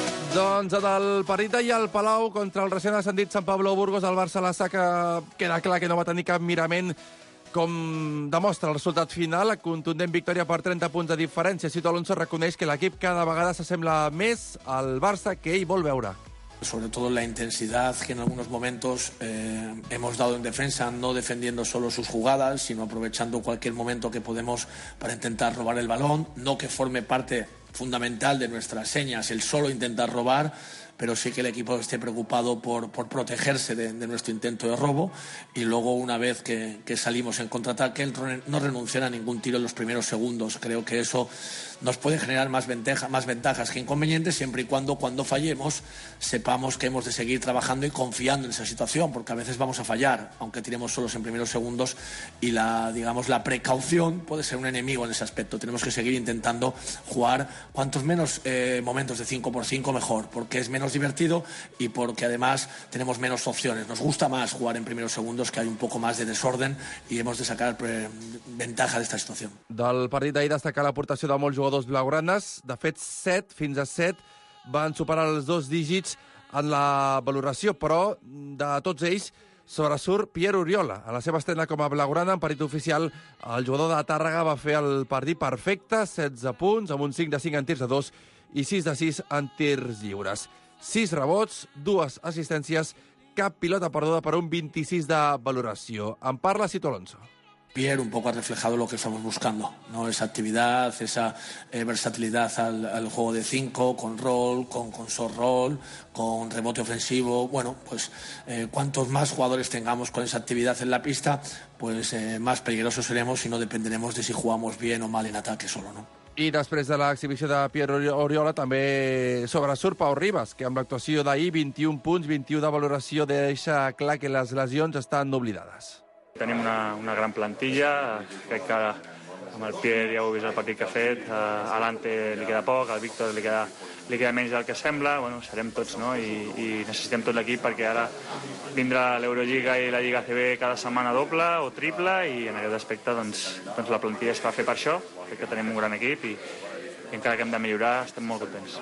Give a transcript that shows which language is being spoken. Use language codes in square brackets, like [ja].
[ca] Doncs en el partit d'ahir al Palau contra el recent ascendit San Pablo Burgos, el Barça la saca, queda clar que no va tenir cap mirament, com demostra el resultat final, la contundent victòria per 30 punts de diferència. Sito Alonso reconeix que l'equip cada vegada s'assembla més al Barça que ell vol veure. [es] Sobre todo la intensidad que en algunos momentos hemos dado en defensa, no defendiendo solo sus jugadas, sino aprovechando cualquier momento que podemos para intentar robar el balón, no que forme parte fundamental de nuestras señas el solo intentar robar, pero sí que el equipo esté preocupado por protegerse de nuestro intento de robo, y luego una vez que salimos en contraataque no renunciar a ningún tiro en los primeros segundos. Creo que eso nos puede generar más ventajas que inconvenientes, siempre y cuando fallemos sepamos que hemos de seguir trabajando y confiando en esa situación, porque a veces vamos a fallar aunque tiremos solos en primeros segundos, y la precaución puede ser un enemigo en ese aspecto. Tenemos que seguir intentando jugar cuantos menos momentos de 5x5 mejor, porque es menos divertido y porque además tenemos menos opciones. Nos gusta más jugar en primeros segundos, que hay un poco más de desorden, y hemos de sacar ventaja de esta situación. [ca] Del partit d'ahir destacar l'aportació de molts jugadors blaugranes. De fet, 7, fins a 7, van superar els dos dígits en la valoració, però de tots ells sobresurt Pierre Oriola. A la seva estrena com a blaugrana, en partit oficial, el jugador de Tàrrega va fer el partit perfecte, 16 punts, amb un 5 de 5 en tirs de 2 i 6 de 6 en tirs lliures. 6 rebots, 2 assistències, cap pilota perduda per un 26 de valoració. En parla Sito Alonso. [es] Pierre un poco ha reflejado lo que estamos buscando, ¿no? Esa actividad, esa versatilidad al juego de 5, con rol, con short roll, con rebote ofensivo. Bueno, pues cuantos más jugadores tengamos con esa actividad en la pista, pues más peligrosos seremos y no dependeremos de si jugamos bien o mal en ataque solo, ¿no? [ca] I després de l'exhibició de Pierre Oriola, també sobresurt Pau Ribas, que amb l'actuació d'ahir, 21 punts, 21 de valoració, deixa clar que les lesions estan oblidades. Tenim una gran plantilla, crec que amb el Pierre ja heu vist el partit que ha fet, a l'Ante li queda poc, al Víctor li queda menys del que sembla, bueno, serem tots, no?, i necessitem tot l'equip perquè ara vindrà l'Eurolliga i la Lliga CB cada setmana doble o triple, i en aquest aspecte doncs la plantilla es fa fer per això, crec que tenim un gran equip i encara que hem de millorar, estem molt contents.